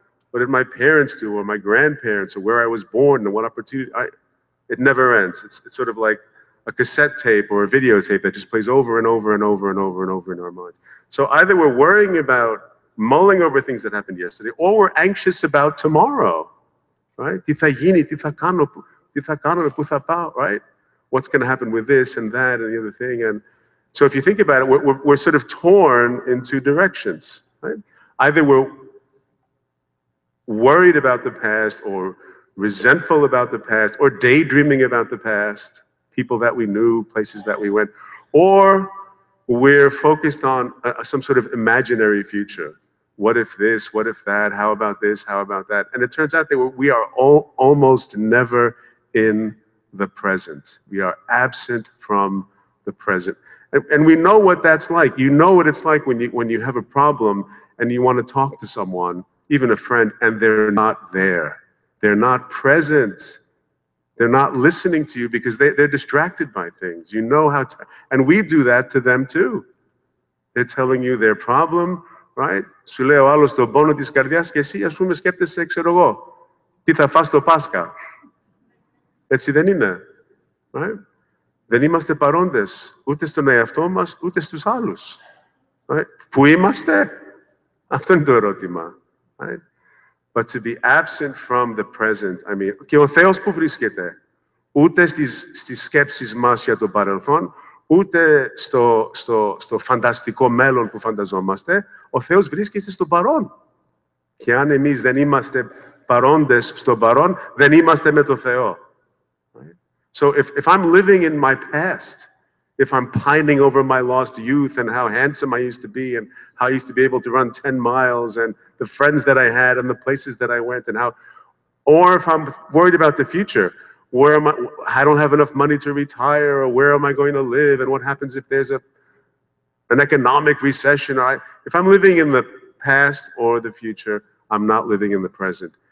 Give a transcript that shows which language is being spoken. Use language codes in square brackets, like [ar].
[en] What did my parents do, or my grandparents, or where I was born, and what opportunity? It never ends. It's sort of like a cassette tape or a videotape that just plays over and over and over and over and over in our mind. So either we're worrying about, mulling over things that happened yesterday, or we're anxious about tomorrow, right? [el] Τι θα γίνει, τι θα κάνω, τι θα κάνω, πού θα πάω, [en] right? What's going to happen with this and that and the other thing? And so if you think about it, we're sort of torn in two directions, right? Either we're worried about the past or resentful about the past or daydreaming about the past, people that we knew, places that we went, or we're focused on some sort of imaginary future. What if this? What if that? How about this? How about that? And it turns out that we are almost never in the present. We are absent from the present. And we know what that's like. You know what it's like when you have a problem and you want to talk to someone, even a friend, and they're not there. They're not present. They're not listening to you because they're distracted by things. You know how to, and we do that to them too. They're telling you their problem, right? [el] Σου λέει ο άλλος τον πόνο της καρδιάς και εσύ, ας πούμε, σκέπτεσαι, ξέρω εγώ, τι θα φας το Πάσχα. Έτσι δεν είναι, [en] right? [el] Δεν είμαστε παρόντες, ούτε στον εαυτό μας, ούτε στους άλλους. [en] Right? [el] Πού είμαστε? Αυτό είναι το ερώτημα, [en] right? But to be absent from the present, I mean, [el] και ο Θεός που βρίσκεται, ούτε στις σκέψεις μας για το παρελθόν, ούτε στο φανταστικό μέλλον που φανταζόμαστε, ο Θεός βρίσκεται στο παρόν. Και αν εμείς δεν είμαστε παρόντες στο παρόν, δεν είμαστε με το Θεό. [en] So if I'm living in my past, if I'm pining over my lost youth and how handsome I used to be and how I used to be able to run 10 miles and the friends that I had and the places that I went and how, or if I'm worried about the future, where am I don't have enough money to retire, or where am I going to live, and what happens if there's an economic recession, or if I'm living in the past or the future, I'm not living in the present.